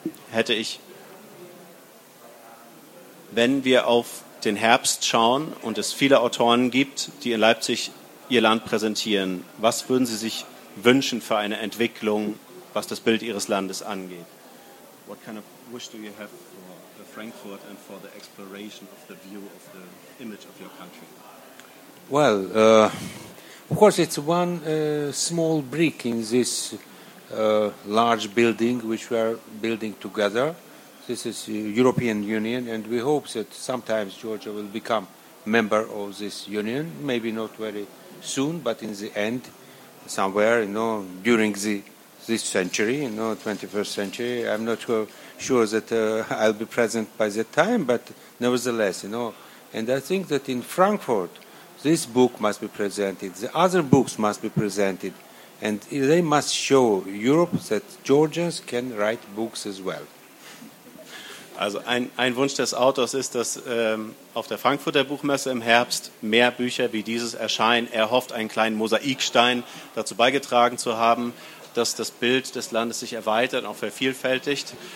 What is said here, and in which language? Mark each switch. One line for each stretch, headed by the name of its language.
German: Hätte ich, wenn wir auf den Herbst schauen und es viele Autoren gibt, die in Leipzig ihr Land präsentieren, was würden Sie sich wünschen für eine Entwicklung, was das Bild Ihres Landes angeht?
English: What kind of wish do you have for Frankfurt and for the exploration of the view of the image of your country? Well, of course it's one small brick in this large building which we are building together. This is European Union, and we hope that sometimes Georgia will become member of this union, maybe not very soon, but in the end, somewhere, you know, during this century, you know, 21st century. I'm not sure that I'll be present by that time, but nevertheless, you know. And I think that in Frankfurt, this book must be presented, the other books must be presented, and they must show Europe that Georgians can write books as well.
German: Also ein Wunsch des Autors ist, dass auf der Frankfurter Buchmesse im Herbst mehr Bücher wie dieses erscheinen. Er hofft, einen kleinen Mosaikstein dazu beigetragen zu haben, dass das Bild des Landes sich erweitert und auch vervielfältigt.